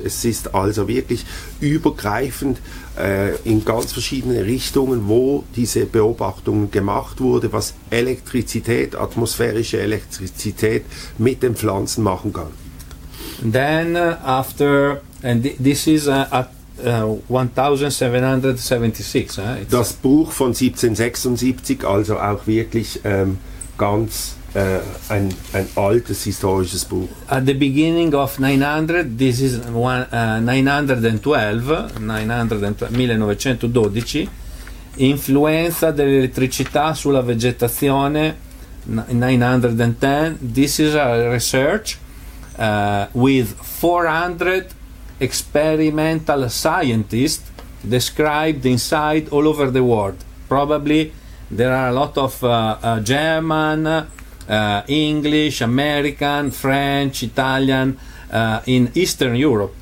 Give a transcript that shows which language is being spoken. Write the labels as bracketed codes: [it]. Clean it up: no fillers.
[de] Es ist also wirklich übergreifend in ganz verschiedene Richtungen, wo diese Beobachtung gemacht wurde, was Elektrizität, atmosphärische Elektrizität mit den Pflanzen machen kann. [en] Then after... And this is at 1776. Eh? [de] Das Buch von 1776, also auch wirklich ganz ein altes historisches Buch. [en] At the beginning of 900, this is 1912, Influenza dell'elettricità sulla vegetazione, 910. This is a research with 400 experimental scientists described inside all over the world. Probably there are a lot of German, English, American, French, Italian in Eastern Europe.